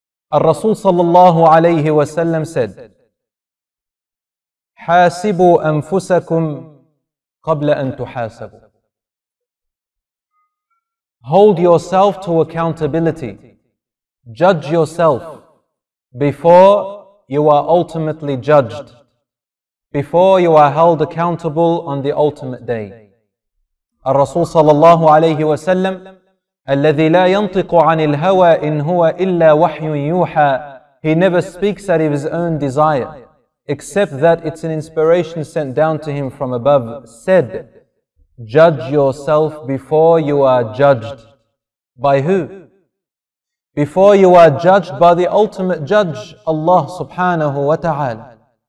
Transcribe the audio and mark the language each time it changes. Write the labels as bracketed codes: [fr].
[en] Al-Rasul sallallahu alayhi wa sallam said, [ar] حاسبوا أنفسكم قبل أن تحاسبوا. [en] Hold yourself to accountability. Judge yourself before you are ultimately judged, before you are held accountable on the ultimate day. [ar] الرسول صلى الله عليه وسلم الذي لا ينطق عن الهوى إن هو إلا وحي يوحى. [en] He never speaks out of his own desire, except that it's an inspiration sent down to him from above, said, judge yourself before you are judged. By who? Before you are judged by the ultimate judge, Allah subhanahu wa ta'ala.